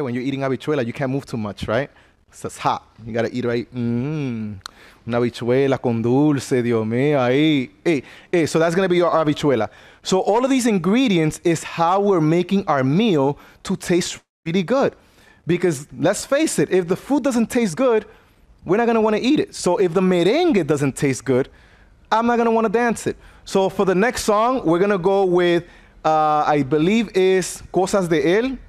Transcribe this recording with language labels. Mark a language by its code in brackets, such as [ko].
[en] When you're eating habichuela, you can't move too much, right? So it's hot. You gotta eat right. [es] Una habichuela con dulce, Dios mío. [en] Ahí. Hey, hey. So that's gonna be your habichuela. So all of these ingredients is how we're making our meal to taste really good. Because let's face it, if the food doesn't taste good, we're not gonna wanna eat it. So if the merengue doesn't taste good, I'm not gonna wanna dance it. So for the next song, we're gonna go with, I believe is Cosas de Él.